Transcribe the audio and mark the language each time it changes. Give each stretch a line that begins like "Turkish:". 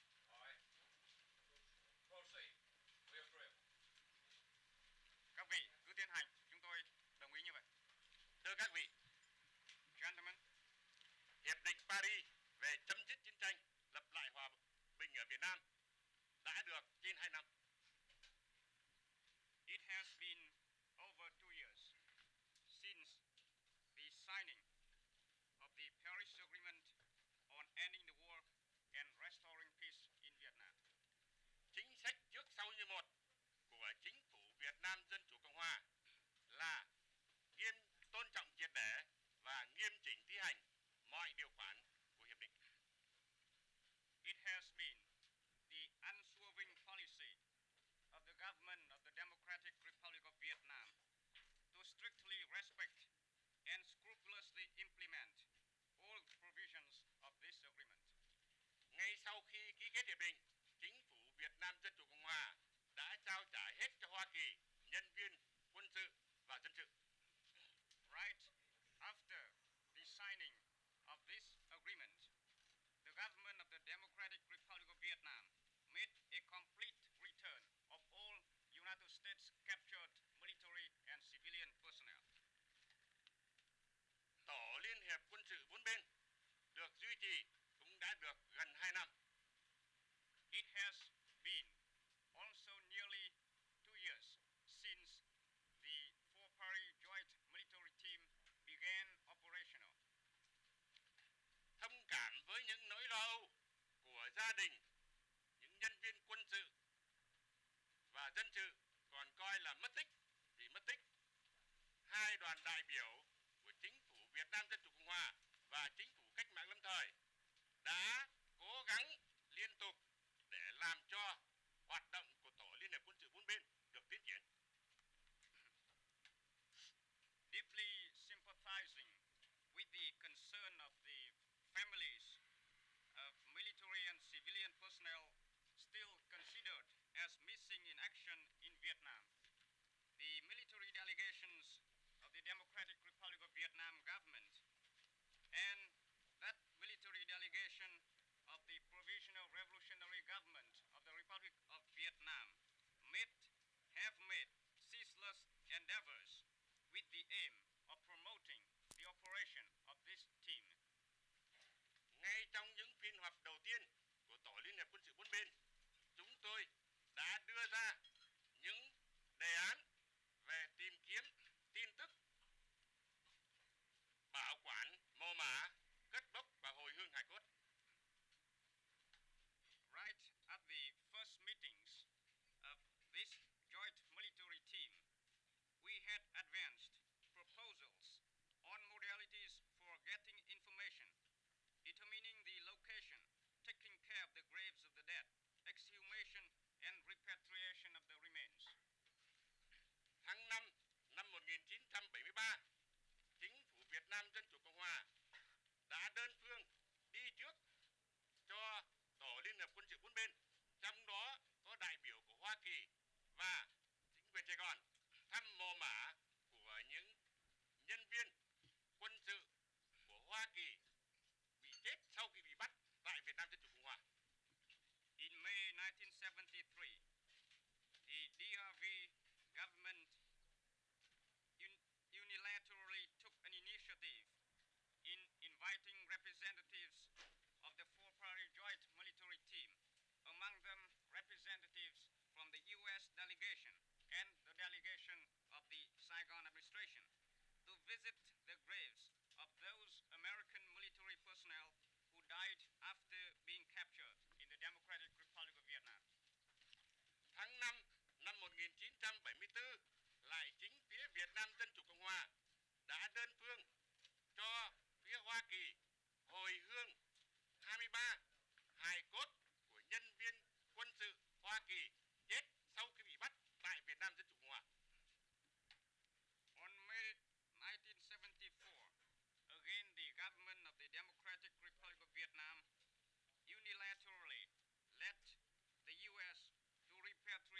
English: All right. Proceed. We agree.
Vietnamese: Các vị cứ tiến hành, chúng tôi đồng ý như vậy. Thưa các vị,
English: gentlemen,
Vietnamese: Hiệp định Paris về chấm dứt chiến tranh, lập lại hòa bình ở Việt Nam đã được trên 2 năm.
English: It has been over 2 years since the signing of the Paris Agreement on ending the war and restoring peace in Vietnam.
Vietnamese: Chính sách trước sau như một của chính phủ Việt Nam Dân chủ Cộng hòa là nghiêm tôn trọng triệt để và nghiêm chỉnh thi hành mọi điều khoản của hiệp định.
English: It has been the unswerving policy of the government of the Democratic Republic of Vietnam to strictly respect and scrupulously implement all provisions of this agreement.
Vietnamese: Ngay sau khi ký kết hiệp định, chính phủ Việt Nam Dân chủ Cộng hòa đã trao trả hết cho Hoa Kỳ nhân viên quân sự và dân sự.
English: Right after the signing of this agreement, the government of the Democratic Republic of Vietnam made a complete return of all United States captured military and civilian personnel.
Vietnamese: Tổ liên hiệp quân sự bốn bên được duy trì cũng đã được gần 2 năm.
English: It has been also nearly 2 years since the four-party joint military team began operational.
Vietnamese: Thông cảm với những nỗi lo âu của gia đình, những nhân viên quân sự và dân sự còn coi là mất tích vì mất tích. Hai đoàn đại biểu của chính phủ Việt Nam Dân chủ Cộng hòa và chính phủ cách mạng lâm thời đã cố gắng liên tục để làm cho hoạt động của Tổ Liên hiệp quân sự bốn bên được tiến triển.
English: Deeply sympathizing with the concern of the families of military and civilian personnel still considered as missing in action in Vietnam, the military delegations of the Democratic Republic of Vietnam government and that military delegation of the Provisional Revolutionary Government of the Republic of Vietnam have made ceaseless endeavors with the aim of promoting the operation of this team.
Vietnamese: Ngay trong những phiên họp đầu tiên của Tổ Liên hiệp quân sự bốn bên, chúng tôi đã đưa ra những đề án về tìm kiếm tin tức, bảo quản mô mả, cất bốc và hồi hương hài cốt.
English: Right at the first meetings of this joint military team, we had advanced proposals on modalities for getting information, determining the location, taking care of the graves of the dead, exhumation and repatriation of the remains.
Vietnamese: Tháng 5 năm 1973, chính phủ Việt Nam Dân chủ Cộng hòa đã đơn phương đi trước cho Tổ Liên hiệp quân sự bốn bên, trong đó có đại biểu của Hoa Kỳ và chính quyền Sài Gòn thăm mồ mả của những nhân viên quân sự của Hoa Kỳ chết sau khi bị bắt tại Việt Nam Dân chủ Cộng hòa.
English: In May 1973, the DRV government unilaterally took an initiative in inviting representatives of the four-party joint military team, among them representatives from the U.S. delegation and the delegation of the Saigon administration, to visit the graves of those American military personnel who died after being captured in the Democratic Republic of Vietnam.
Vietnamese: Tháng 5 năm 1974, lại chính phía Việt Nam Dân chủ Cộng hòa đã đơn phương cho phía Hoa Kỳ hồi hương 23 hài cốt của nhân viên quân sự Hoa Kỳ chết sau khi bị bắt tại Việt Nam Dân chủ Cộng hòa.
English: On May 1974, again, the government of the Democratic Republic of Vietnam unilaterally led the U.S. to repair